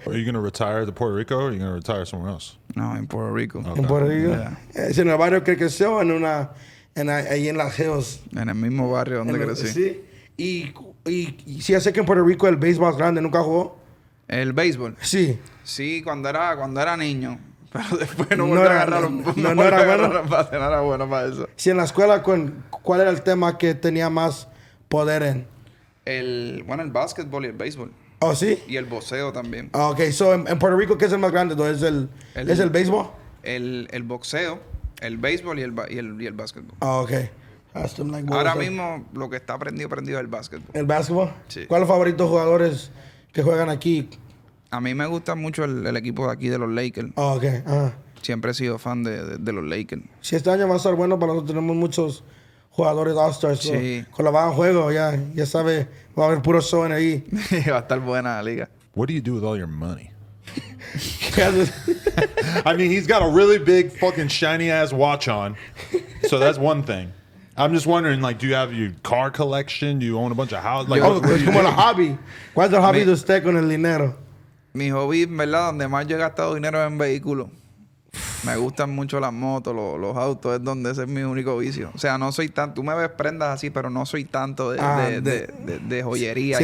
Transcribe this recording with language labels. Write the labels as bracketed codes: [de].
[en] Are you going to retire to Puerto Rico or are you going to retire somewhere else? [es] No, en Puerto Rico. Okay. ¿En Puerto Rico? Yeah. ¿Es en el barrio que creció en una... En, ahí en Las Hills? En el mismo barrio donde crecí. Sí. Y sí, ya sé que en Puerto Rico el béisbol es grande. ¿Nunca jugó? ¿El béisbol? Sí. Sí, cuando era niño. Pero después no volví a agarrar... No era bueno para eso. Sí, en la escuela, ¿cuál era el tema que tenía más... poder en? El básquetbol y el béisbol. ¿Oh, sí? Y el boxeo también. Ah, ok. So, en Puerto Rico, ¿qué es el más grande? ¿Es el béisbol? El boxeo, el béisbol y el básquetbol. Ah, ok. Ahora mismo, lo que está prendido es el básquetbol. ¿El básquetbol? Sí. ¿Cuál es los favoritos jugadores que juegan aquí? A mí me gusta mucho el equipo de aquí, de los Lakers. Ah, oh, ok. Uh-huh. Siempre he sido fan de los Lakers. Sí, este año va a estar bueno para nosotros. Tenemos muchos... jugadores All-Stars. Sí. Con la baja juego, ya sabe, va a haber puro show en ahí. Va a estar buena la liga. [en] What do you do with all your money? I mean, he's got a really big fucking shiny ass watch on. So that's one thing. I'm just wondering, like, do you have your car collection? Do you own a bunch of houses? Like, [es] es como la hobby. ¿Cuál es el hobby de usted con el dinero? Mi hobby, ¿verdad? Donde más yo he gastado dinero es en vehículo. Me gustan mucho las motos, los autos, es donde ese es mi único vicio. O sea, no soy tan... Tú me ves prendas así, pero no soy tanto de joyería. Sí,